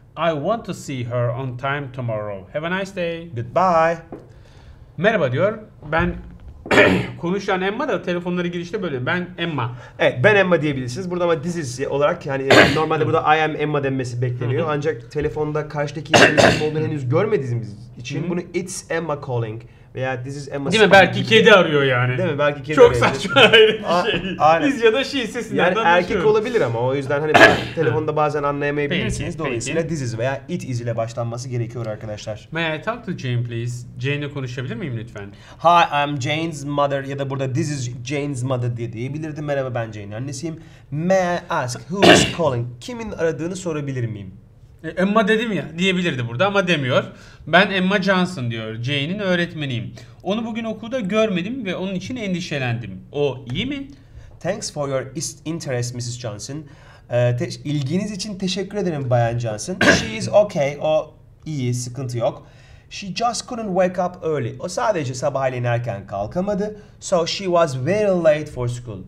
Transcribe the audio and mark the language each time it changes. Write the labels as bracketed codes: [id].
[en] I want to see her on time tomorrow. Have a nice day. Goodbye. [tr] Merhaba diyor. Ben konuşan Emma da telefonları girişte böyle. Ben Emma. Evet, ben Emma diyebilirsiniz. Burada ama this is olarak yani normalde burada [en] I am Emma [tr] denmesi bekleniyor. Ancak telefonda karşıdaki insanın olduğunu henüz görmediğimiz için bunu [en] it's Emma calling. Veya this is Emma. [tr] Değil mi? Belki kedi arıyor yani. Değil mi? Belki kedi. Çok saçma ayrı bir şey. Biz ya da şey sesinden yani anlaşıyoruz. Erkek olabilir ama o yüzden hani telefonda bazen anlayamayabilirsiniz. Dolayısıyla this is veya it is ile başlanması gerekiyor arkadaşlar. [en] May I talk to Jane please? [tr] Jane'le konuşabilir miyim lütfen? [en] Hi, I'm Jane's mother. [tr] Ya da burada [en] this is Jane's mother [tr] diye diyebilirdim. Merhaba, ben Jane'in annesiyim. [en] May I ask who is calling? [tr] Kimin aradığını sorabilir miyim? Emma dedim ya, diyebilirdi burada ama demiyor. Ben Emma Johnson diyor. Jane'in öğretmeniyim. Onu bugün okulda görmedim ve onun için endişelendim. O iyi mi? [en] Thanks for your interest, Mrs. Johnson. [tr] İlginiz için teşekkür ederim Bayan Johnson. [en] She is okay. [tr] O iyi, sıkıntı yok. [en] She just couldn't wake up early. [tr] O sadece sabahleyin erken kalkamadı. [en] So she was very late for school.